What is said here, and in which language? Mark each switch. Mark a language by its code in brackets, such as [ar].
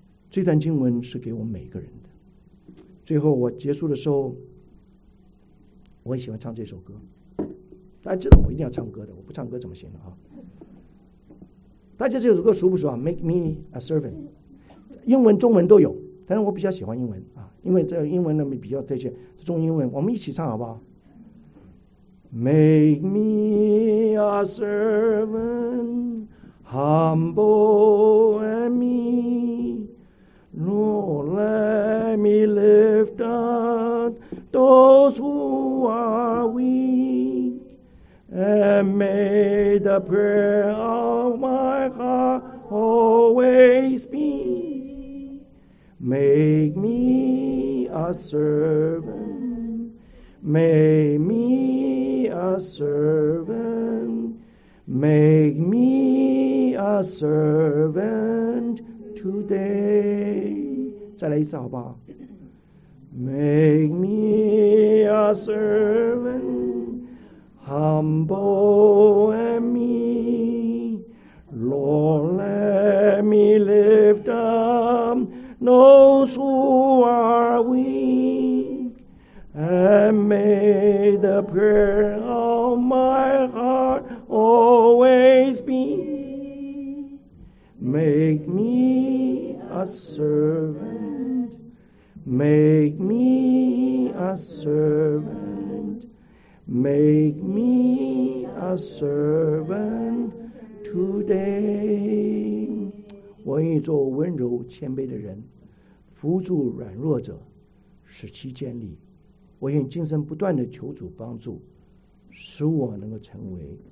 [zh] 这段经文是给我们每个人的。最后我结束的时候，我很喜欢唱这首歌，大家知道我一定要唱歌的，我不唱歌怎么行啊？大家这首歌熟不熟啊？Make me a servant， 英文中文都有，但是我比较喜欢英文啊，因为这英文呢比较这些中英文，我们一起唱好不好？ [en] Make me a servant humble and me，Lord, let me lift up those who are weak, and may the prayer of my heart always be, make me a servant, make me a servant, make me a servant. [zh] Today， 再来一次好不好？ [en] Make me a servant humble and meek，Lord let me lift up those who are weak，And may the prayer of my heart always beMake me a servant, make me a servant, make me a servant today. [zh] 我愿意做温柔谦卑的人，扶助软弱者，使其建立。我愿今生不断的求主帮助，使我能够成为。